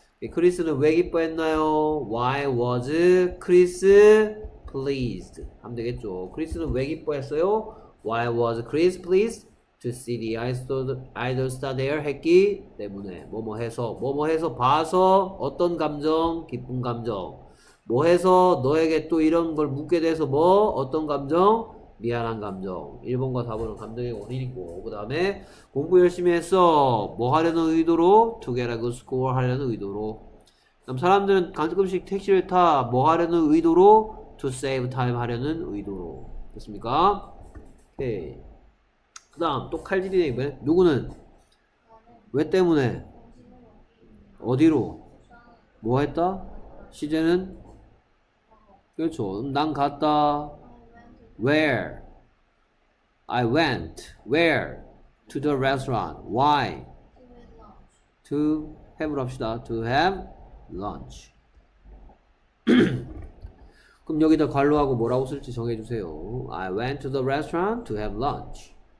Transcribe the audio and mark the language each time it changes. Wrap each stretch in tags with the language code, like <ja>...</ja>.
<ko>크리스는 왜 기뻐했나요?</ko> <en>Why was Chris pleased?</en> <ko>하면 되겠죠. 크리스는 왜 기뻐했어요?</ko> <en>Why was Chris pleased to see the idol star there?</en> <ko>했기 때문에 뭐뭐해서 봐서 어떤 감정? 기쁜 감정. 뭐해서 너에게 또 이런 걸 묻게 돼서 뭐? 어떤 감정? 미안한 감정. 1번과 4번은 감정의 원인이고, 그 다음에 공부 열심히 했어. 뭐 하려는 의도로?</ko> <en>To get a good score</en> <ko>하려는 의도로. 그럼 사람들은 가끔씩 택시를 타. 뭐 하려는 의도로?</ko> <en>To save time</en> <ko>하려는 의도로. 됐습니까? 오케이. 그 다음 또 칼질이네. 왜? 누구는? 왜 때문에? 어디로? 뭐 했다? 시제는? 그렇죠. 난 갔다.</ko> <en>Where? I went. Where? To the restaurant. Why? To have lunch. To have lunch.</en> <ko>그럼 여기다 괄호하고 뭐라고 쓸지 정해주세요.</ko> <en>I went to the restaurant to have lunch.</en>